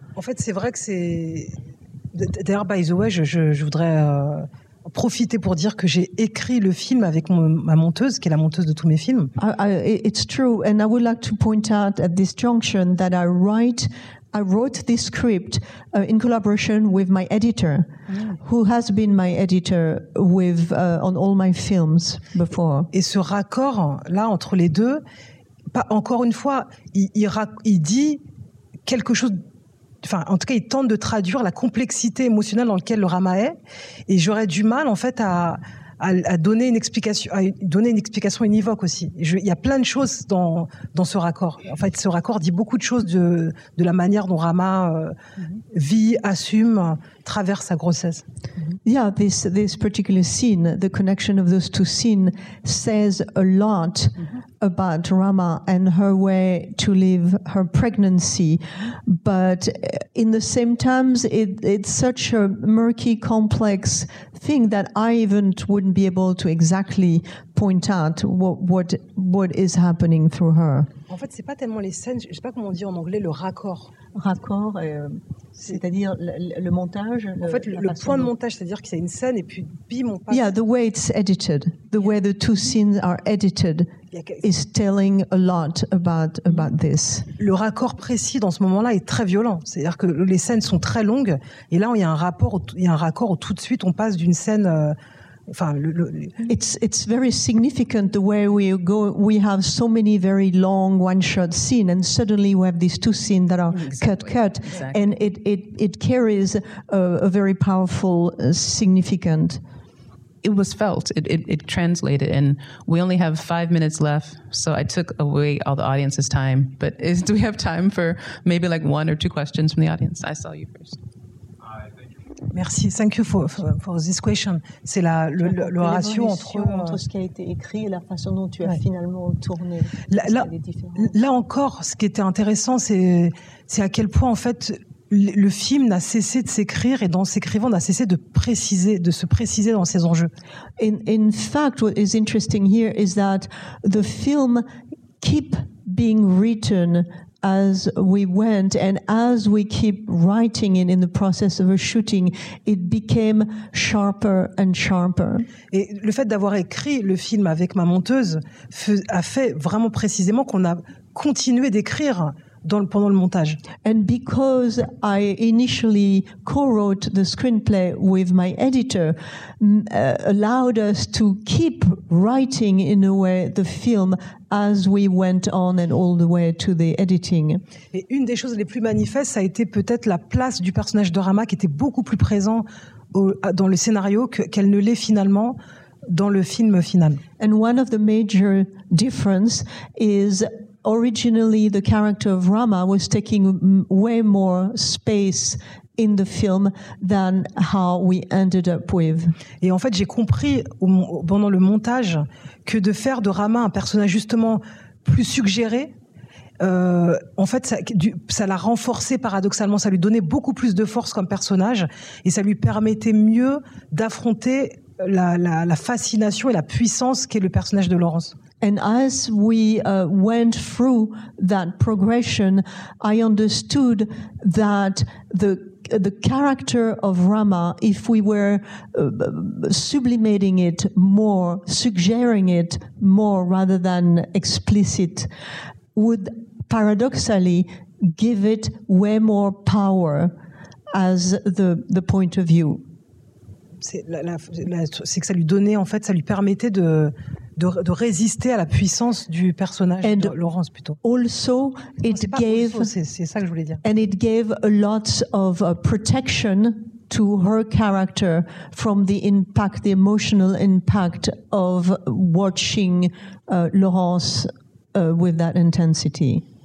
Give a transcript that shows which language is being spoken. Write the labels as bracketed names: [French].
[French] En fait, c'est vrai que c'est... D'ailleurs, [English] by the way, [French] je voudrais profiter pour dire que j'ai écrit le film avec ma monteuse, qui est la monteuse de tous mes films. [English] It's true, and I would like to point out at this junction that I wrote this script in collaboration with my editor, who has been my editor on all my films before. [French] Et ce raccord là entre les deux, pas encore une fois, il dit quelque chose. Enfin, en tout cas, il tente de traduire la complexité émotionnelle dans laquelle le Rama est, et j'aurais du mal en fait à donner une explication univoque aussi. Il y a plein de choses dans ce raccord. En fait, ce raccord dit beaucoup de choses de la manière dont Rama vit, assume, traverse sa grossesse. [English] Yeah, this particular scene, the connection of those two scenes, says a lot about Rama and her way to live her pregnancy. But in the same times, it's such a murky, complex thing that I even wouldn't be able to exactly point out what is happening through her. [French] En fait, c'est pas tellement les scènes, je sais pas comment on dit en anglais, le raccord. Raccord, c'est-à-dire le montage. En fait, le point de montage, c'est-à-dire qu'il y a une scène et puis bim, on passe. [English] Yeah, the way it's edited, the way the two scenes are edited is telling a lot about this. [French] Le raccord précis dans ce moment-là est très violent. C'est-à-dire que les scènes sont très longues et là, il y a un raccord où tout de suite on passe d'une scène. [English] It's very significant the way we go. We have so many very long one-shot scene, and suddenly we have these two scenes that are cut, and it carries a very powerful significant. It was felt. It translated, and we only have 5 minutes left, so I took away all the audience's time. But do we have time for maybe like one or two questions from the audience? I saw you first. [French] Merci. [English] Thank you for this question. [French] C'est la ratio entre ce qui a été écrit et la façon dont tu as finalement tourné. Là encore, ce qui était intéressant, c'est à quel point en fait le film n'a cessé de s'écrire et dans s'écrivant n'a cessé de se préciser dans ses enjeux. [English] In fact, what is interesting here is that the film keep being written as we went, and as we keep writing it in the process of a shooting, it became sharper and sharper. [French] Et le fait d'avoir écrit le film avec ma monteuse a fait vraiment précisément qu'on a continué d'écrire pendant le montage. [English] And because I initially co-wrote the screenplay with my editor, allowed us to keep writing in a way the film as we went on and all the way to the editing. [French] Et une des choses les plus manifestes, ça a été peut-être la place du personnage de Rama qui était beaucoup plus présent dans le scénario qu'elle ne l'est finalement dans le film final. [English] And one of the major differences is originally the character of Rama was taking way more space in the film than how we ended up with. [French] Et en fait, j'ai compris pendant le montage que de faire de Rama un personnage justement plus suggéré, en fait, ça l'a renforcé paradoxalement, ça lui donnait beaucoup plus de force comme personnage et ça lui permettait mieux d'affronter la fascination et la puissance qu'est le personnage de Laurence. [English] And as we went through that progression, I understood that the character of Rama, if we were sublimating it more, suggesting it more rather than explicit, would paradoxically give it way more power as the point of view. [French] C'est que ça lui donnait, en fait, ça lui permettait de résister à la puissance du personnage [English] and [French] de Laurence plutôt. [English] Also, it gave [French] Rousseau, c'est ça que je voulais dire. [English] And it gave a lot of protection to her character from the impact, the emotional impact of watching Laurence with that intensity.